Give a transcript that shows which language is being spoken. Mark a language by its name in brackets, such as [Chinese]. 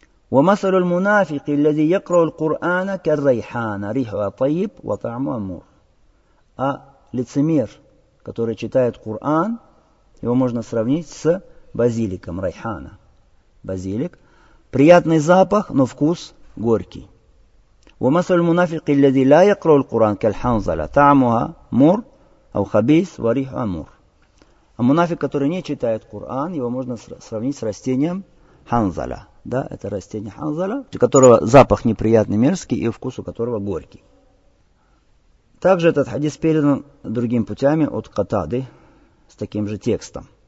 [Arabic] وَمَثَلُ الْمُنَافِقِ الَّذِي يَقْرَوُ الْقُرْآنَ كَالْرَيْحَانَ رِيحُهَا طَيِّبْ وَطَعْمُهَا مُرْ. [Russian] А лицемер, который читает Коран, его можно сравнить с базиликом райхана. Базилик. Приятный запах, но вкус горький. [Arabic] ومثل المنافق الذي لا يقرأ القرآن كالحنظلة طعمها مر أو خبيث وريحها مر. [Russian] А мунафик, который не читает Коран, его можно сравнить с растением ханзала. Да, это растение ханзала, у которого запах неприятный, мерзкий, и вкус у которого горький. Также этот хадис передан другими путями от Катады с таким же текстом.